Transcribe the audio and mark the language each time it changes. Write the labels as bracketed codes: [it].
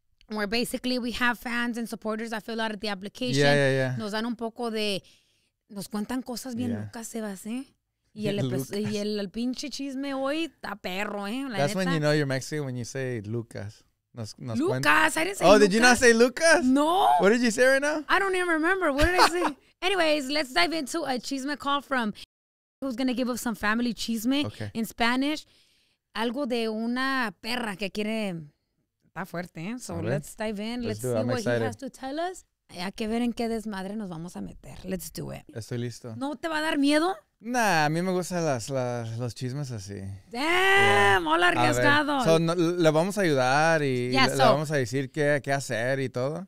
[en] Where basically we have fans and supporters that fill out the application. Yeah. [es] Nos dan un poco de. Nos cuentan cosas bien locas, Sebas, ¿eh? Y el pinche chisme hoy está perro, ¿eh? La [en] That's [es] neta. [en] When you know you're Mexican when you say Lucas. [es] Nos [en] Lucas, I didn't say oh, Lucas. Did you not say Lucas? No. What did you say right now? I don't even remember. What did I say? Anyways, let's dive into a chisme call from who's going to give us some family chisme in Spanish. [es] Algo de una perra que quiere... Está fuerte, ¿eh? [en] So let's dive in. Let's see what he has to tell us. [es] Hay que ver en qué desmadre nos vamos a meter. [en] Let's do it. [es] Estoy listo. ¿No te va a dar miedo? Nah, a mí me gustan los chismes así. Damn, hola arriesgado. So, no, le vamos a ayudar y le vamos a decir qué hacer y todo.